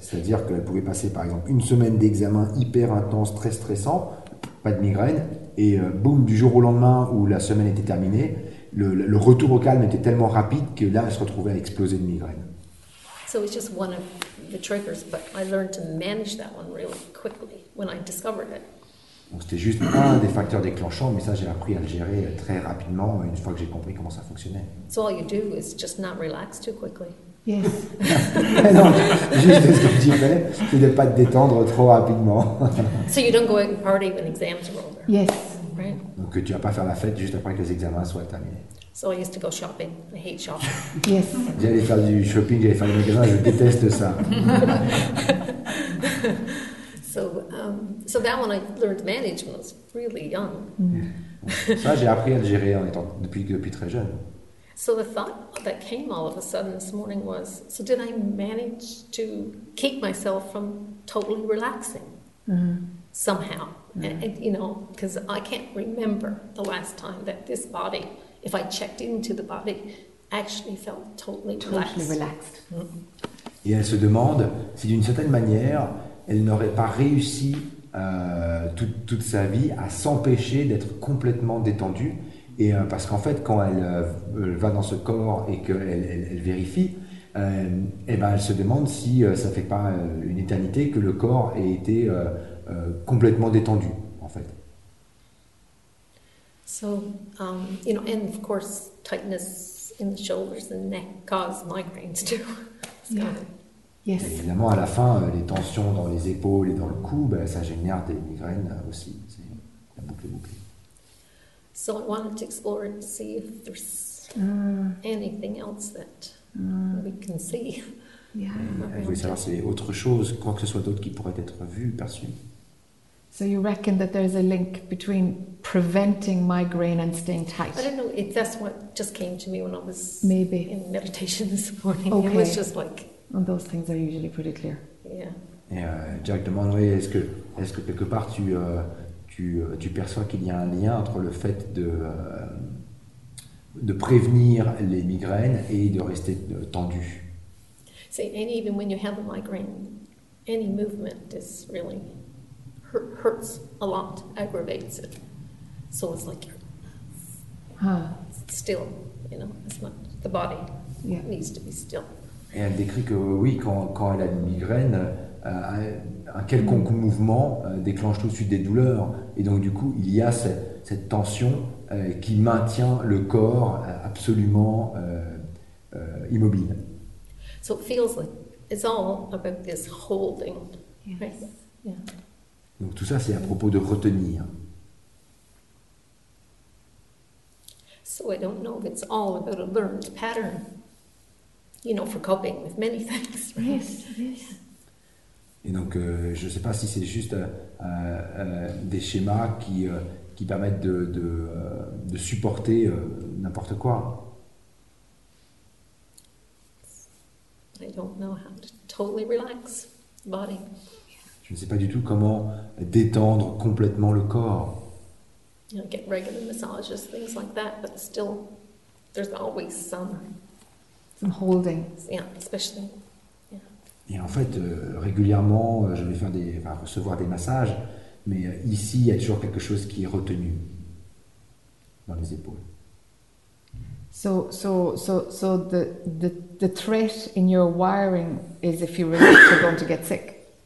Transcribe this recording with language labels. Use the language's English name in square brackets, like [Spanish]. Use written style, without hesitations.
[French] C'est-à-dire qu'elle pouvait passer par exemple une semaine d'examen hyper intense, très stressant, pas de migraine, et boum, du jour au lendemain où la semaine était terminée. Le retour au calme était tellement rapide que là, elle se retrouvait à exploser de migraines. [English] So it's just one of the triggers, but I learned to manage that one really quickly when I discovered it. [French] Donc c'était juste un des facteurs déclenchants, mais ça, j'ai appris à le gérer très rapidement une fois que j'ai compris comment ça fonctionnait. [English] So all you do is just not relax too quickly. Yes. [French] Non, juste ce que tu fais, c'est de pas te détendre trop rapidement. [English] So you don't go out and party when exams are over. Yes. Right. [French] Donc que tu vas pas faire la fête juste après que les examens soient terminés. [English] So I used to go shopping. I hate shopping. Yes. [French] J'allais faire du shopping, j'allais faire des magasins, je déteste ça. [English] So that one I learned to manage when I was really young. Mm. [French] Ça j'ai appris à le gérer en étant depuis très jeune. [English] So the thought that came all of a sudden this morning was, so did I manage to keep myself from totally relaxing? Somehow. Mm. And, you know, because I can't remember the last time that this body, if I checked into the body, actually felt totally relaxed. Mm. [French] Et elle se demande si d'une certaine manière, elle n'aurait pas réussi toute sa vie à s'empêcher d'être complètement détendue. Et parce qu'en fait, quand elle va dans ce corps et qu'elle vérifie, elle se demande si ça ne fait pas une éternité que le corps ait été complètement détendu, en fait. [English] So, you know, and of course, tightness in the shoulders and neck cause migraines too. Yes. [French] Et évidemment, à la fin, les tensions dans les épaules et dans le cou, ben, ça génère des migraines aussi. C'est la boucle est bouclée. [English] So I wanted to explore and see if there's anything else that we can see. Yeah. [French] Vous voulez savoir si c'est autre chose, quoi que ce soit d'autre qui pourrait être vu, perçu. [English] So you reckon that there's a link between preventing migraine and staying tight? I don't know. That's what just came to me when I was maybe in meditation this morning. Okay. It was just like. And those things are usually pretty clear. Yeah. [French] Et Jack demande, oui, est-ce que quelque part tu perçois qu'il y a un lien entre le fait de prévenir les migraines et de rester tendu. [English] See, and even when you have a migraine, any movement is really hurts a lot, aggravates it. So it's like you're still, you know, as much the body needs to be still. [French] Et elle décrit que oui, quand elle a une migraine, un quelconque mouvement déclenche tout de suite des douleurs. Et donc du coup, il y a cette tension qui maintient le corps absolument immobile. [English] So it feels like it's all about this holding. Yes. Yeah. [French] Donc tout ça, c'est à propos de retenir. [English] So I don't know if it's all about a learned pattern. You know, for coping with many things. Yes, yes. [French] Et donc, je ne sais pas si c'est juste des schémas qui permettent de supporter n'importe quoi. [English] I don't know how to totally relax the body. [French] Je ne sais pas du tout comment détendre complètement le corps. [English] You know, get regular massages, things like that, but still, there's always some. Some holding. Yeah, especially. Yeah. [French] Et en fait, régulièrement, je vais recevoir des massages, mais ici, il y a toujours quelque chose qui est retenu dans les épaules. [English] So the threat in your wiring is if you relax, you're going to get sick.